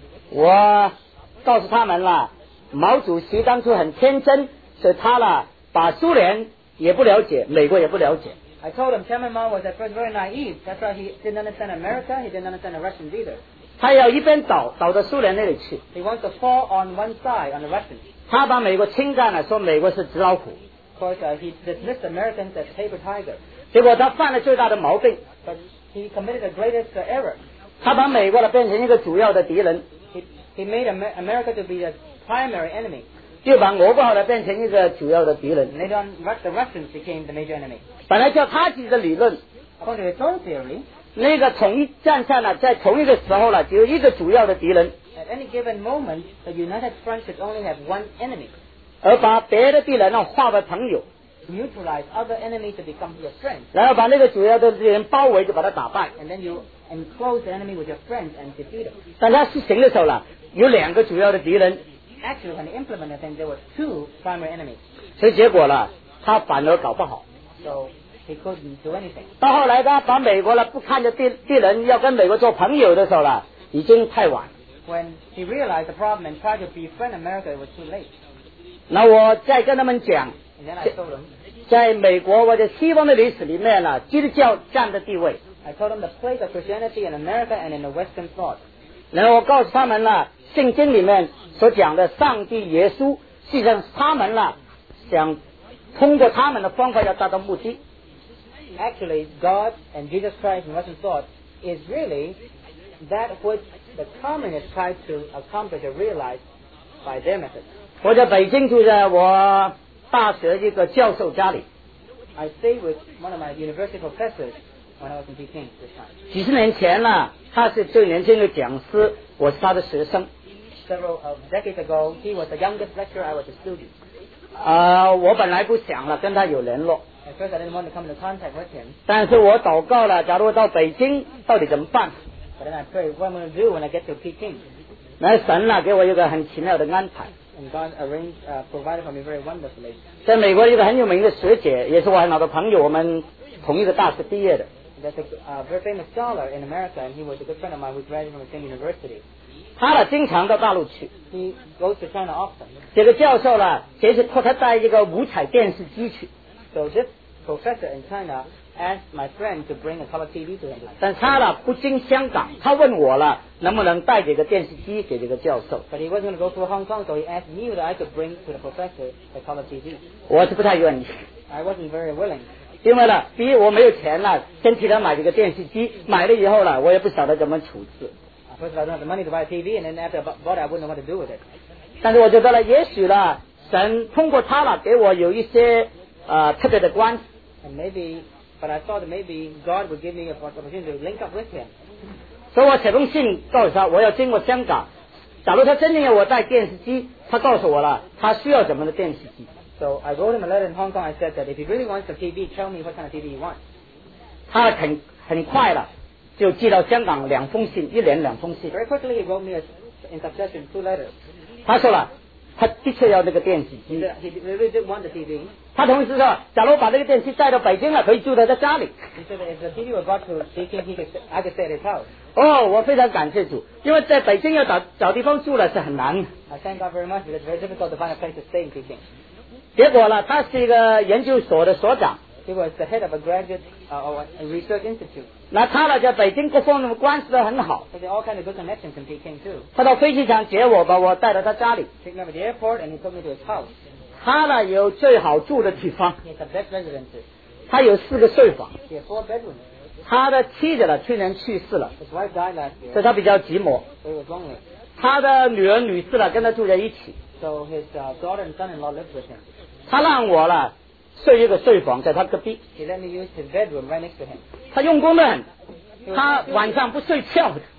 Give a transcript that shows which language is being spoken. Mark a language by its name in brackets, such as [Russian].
[Chinese] 我告诉他们了，毛主席当初很天真，是他了把苏联也不了解，美国也不了解。 [English] I told him Chairman Mao was at first very naive. That's why he didn't understand America. He didn't understand the Russians either. [Chinese] 他要一边倒到苏联那里去。 [English] He wants to fall on one side on the Russians. [Chinese] 他把美国侵占了，说美国是纸老虎。 [English] Of course, he dismissed Americans as paper tiger. [Chinese] 结果他犯了最大的毛病。 [English] But he committed the greatest error. [Chinese] 他把美国变成一个主要的敌人。 [English] He made America to be the primary enemy. [Chinese] 又把俄国变成一个主要的敌人。 [English] And then the Russians became the major enemy. [Chinese] 本来叫他自己的理论。 [English] According to his own theory, [Chinese] 那个统一战线呢，在同一个时候呢，只有一个主要的敌人。 [English] At any given moment, the United Front should only have one enemy. [Chinese] 而把别的敌人化为朋友 [English] neutralize other enemies to become your friends. [Chinese] 然后把那个主要的敌人包围，就把他打败。 [English] And then you enclose the enemy with your friends and defeat them. [Chinese] 但他实行的时候了，有两个主要的敌人。 [English] Actually, when he implemented the thing, there were two primary enemies. [Chinese] 所以结果了，他反而搞不好。 [English] So he couldn't do anything. [Chinese] 到后来他把美国了不看着敌人要跟美国做朋友的时候了，已经太晚。 [English] When he realized the problem and tried to befriend America, it was too late. [Chinese] 那我再跟他们讲 在美国或者西方的历史里面呢，基督教占的地位。 [English] I told them the place of Christianity in America and in the Western thought. [Chinese] 然后我告诉他们呢，圣经里面所讲的上帝耶稣，实际上他们呢想通过他们的方法要达到目的。 [English] Actually, God and Jesus Christ in Western thought is really that which the communists try to accomplish or realize by their method. [Chinese] 我在北京住在我大学一个教授家里。 [English] I stayed with one of my university professors when I was in Beijing this time. [Chinese] 几十年前呢，他是最年轻的讲师，我是他的学生。 [English] Several decades ago, he was the youngest lecturer, I was a student. [Chinese] 我本来不想了跟他有联络。 [English] At first, I didn't want to come into contact with him. [Chinese] 但是我祷告了，假如到北京，到底怎么办？ [English] But then I prayed, what am I going to do when I get to Peking? [Chinese] 那神呢，给我一个很奇妙的安排。 [English] And God arranged, provided for me very wonderfully. [Chinese] 在美国一个很有名的学姐，也是我很好的朋友，我们同一个大学毕业的。 [English] There's a very famous scholar in America, and he was a good friend of mine who graduated from the same university. [Chinese] 他呢经常到大陆去。 [English] He goes to China often. [Chinese] 这个教授呢，这次托他带一个五彩电视机去。 [English] So this professor in China asked my friend to bring a color TV to him. [Chinese] 但他呢不经香港，他问我了能不能带这个电视机给这个教授。 [English] But he wasn't going to go through Hong Kong, so he asked me whether I could bring to the professor the color TV. [Chinese] 我是不太愿意。 [English] I wasn't very willing. [Chinese] 因为呢，第一我没有钱呢，先替他买这个电视机，买了以后呢，我也不晓得怎么处置。 [English] First of all, I don't have the money to buy a TV, and then after I bought it, I wouldn't know what to do with it. [Chinese] 但是我觉得呢，也许呢，神通过他呢，给我有一些特别的关系。 [English] And maybe, but I thought maybe God would give me an opportunity to link up with him. [Chinese] 所以我写封信告诉他，我要经过香港。假如他真的要我带电视机，他告诉我了，他需要怎么的电视机。 [English] So I wrote him a letter in Hong Kong. I said that if he really wants a TV, tell me what kind of TV he wants. [Chinese] 他很快了。就寄到香港两封信，一连两封信。 [English] Very quickly he wrote me a, in succession two letters. [Chinese] 他说了，他的确要那个电视机。 [English] He really did want the TV. [Chinese] 他同时说，假如把那个电视带到北京了，可以住在他家里。 [English] He said that if the TV were brought to Beijing, I could stay at his house. [Chinese] 哦，我非常感谢主，因为在北京要找地方住了是很难。 [English] I thank God very much. It's very difficult to find a place to stay in Beijing. [Chinese] 结果呢，他是一个研究所的所长。 [English] He was the head of a graduate or a research institute. [Chinese] 那他呢，在北京各方面关系都很好。 [English] He had all kinds of good connections in Peking too. [Chinese] 他到飞机场接我，把我带到他家里。 [English] Took me to the airport and he took me to his house. [Chinese] 他呢有最好住的地方。 [English] He had the best residences. [Chinese] 他有四个睡房。 [English] He had four bedrooms. [Chinese] 他的妻子呢去年去世了。 [English] His wife died last year. [Chinese] 所以他比较寂寞。 [English] So he was lonely. [Chinese] 他的女儿女婿呢跟他住在一起。 [English] So his daughter and son-in-law lived with him. [Chinese] 他让我呢。睡一个睡房在他隔壁。 [English] He let me use his bedroom right next to him. [Chinese] 他用功的很，他晚上不睡觉的。